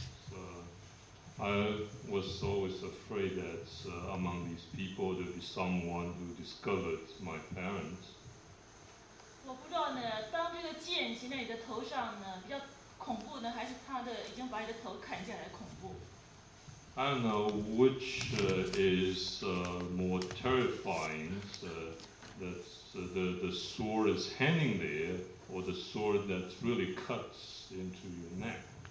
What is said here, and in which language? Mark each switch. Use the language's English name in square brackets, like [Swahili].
[English] So I was always afraid that among these people there'd be someone who discovered my parents. [Chinese] 我不知道呢，当这个剑骑在你的头上呢，比较恐怖呢，还是他的已经把你的头砍下来恐怖。 [English] I don't know which is more terrifying, the sword is hanging there, or the sword that really cuts into your neck.